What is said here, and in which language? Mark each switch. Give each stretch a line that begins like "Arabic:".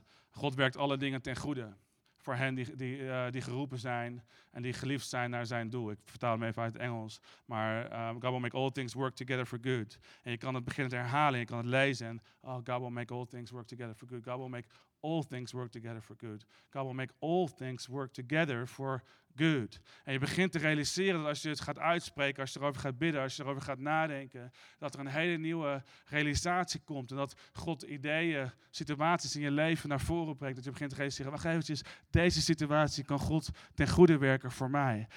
Dutch: God werkt alle dingen ten goede voor hen die geroepen zijn en die geliefd zijn naar zijn doel. Ik vertaal hem even uit het Engels. Maar
English: God will make all things work together for good.
Dutch: En je kan het beginnen te herhalen, je kan het lezen.
English: Oh, God will make all things work together for good. God will make all things work together for good. God will make all things work together for good.
Dutch: En je begint te realiseren dat als je het gaat uitspreken, als je erover gaat bidden, als je erover gaat nadenken, dat er een hele nieuwe realisatie komt. En dat God ideeën, situaties in je leven naar voren brengt. Dat je begint te realiseren, wacht eventjes, deze situatie kan God ten goede werken voor mij.